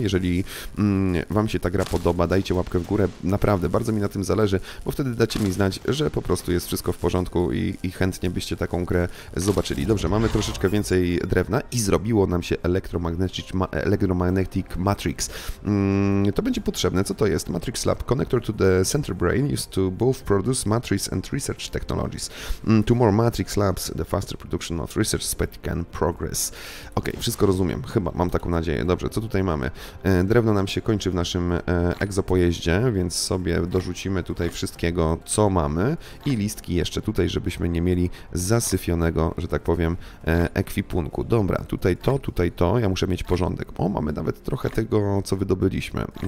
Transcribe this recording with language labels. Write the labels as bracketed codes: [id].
[pl] Jeżeli Wam się ta gra podoba, dajcie łapkę w górę, naprawdę, bardzo mi na tym zależy, bo wtedy dacie mi znać, że po prostu jest wszystko w porządku i chętnie byście taką grę zobaczyli. Dobrze, mamy troszeczkę więcej drewna i zrobiło nam się Electromagnetic Matrix. To będzie potrzebne. Co to jest? [en] Matrix Lab connector to the center brain used to both produce matrix and research technologies. To more Matrix Labs, the faster production of research speed can progress. [pl] Okej, wszystko rozumiem. Chyba mam taką nadzieję. Dobrze, co tutaj mamy? Drewno nam się kończy w naszym egzopojeździe, więc sobie dorzucimy tutaj wszystkiego, co mamy. I listki jeszcze tutaj, żebyśmy nie mieli zasyfionego, że tak powiem, ekwipunku. Dobra, tutaj to, ja muszę mieć porządek. O, mamy nawet trochę tego, co wydobyliśmy.